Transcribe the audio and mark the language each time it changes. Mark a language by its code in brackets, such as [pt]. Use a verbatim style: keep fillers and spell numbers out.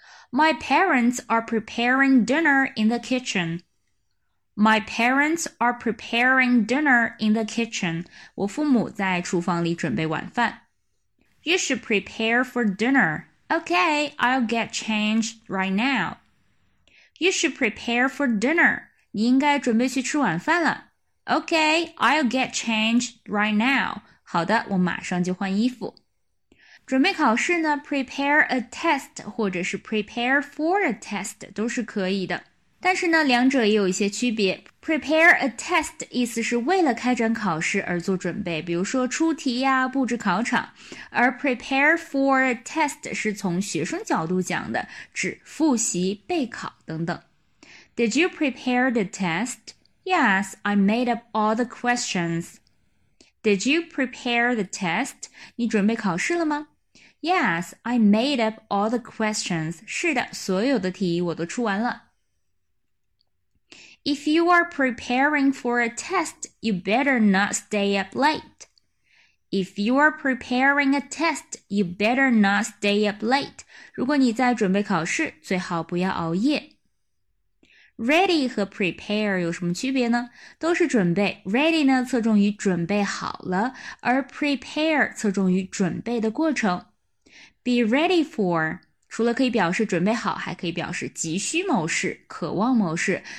[en] My parents are preparing dinner in the kitchen. My parents are preparing dinner in the kitchen. [zh] 我父母在厨房里准备晚饭。 [en] You should prepare for dinner. Okay, I'll get changed right now. You should prepare for dinner. [zh] 你应该准备去吃晚饭了。 [en] Okay, I'll get changed right now. [zh] 好的，我马上就换衣服。准备考试呢 [en] prepare a test [zh] 或者是 [en] prepare for a test [zh] 都是可以的，但是呢两者也有一些区别。 [en] prepare a test [zh] 意思是为了开展考试而做准备，比如说出题呀，布置考场，而 [en] prepare for a test [zh] 是从学生角度讲的，指复习、备考等等。 [en] Did you prepare the test? Yes, I made up all the questions. Did you prepare the test? [zh] 你准备考试了吗？ [en] Yes, I made up all the questions. [zh] 是的，所有的题我都出完了。 [en] If you are preparing for a test, you better not stay up late. If you are preparing a test, you better not stay up late. [zh] 如果你在准备考试，最好不要熬夜。 [en] Ready [zh] 和 prepare 有什么区别呢？都是准备。 [en] Ready [zh] 呢，侧重于准备好了，而 prepare 侧重于准备的过程。 [en] Be ready for [zh] 除了可以表示准备好，还可以表示急需某事，渴望某事。